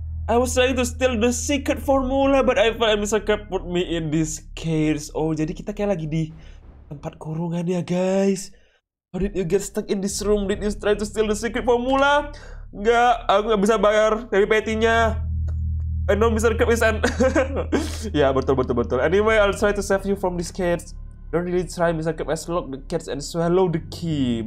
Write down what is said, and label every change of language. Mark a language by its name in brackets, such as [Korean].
[English] I was trying to steal the secret formula, but I felt Mr. Krabs put me in this cage. [Indonesian] Oh, jadi kita kayak lagi di tempat kurungan ya, guys. [English] How did you get stuck in this room? Did you try to steal the secret formula? [Indonesian] Enggak, aku gak bisa bayar dari patty-nya. [English] I know Mr. Krabs is an... [Indonesian] Ya, betul. [English] Anyway, I'll try to save you from this cage. Don't really try, Mr. Krabs has locked the cage and swallowed the key.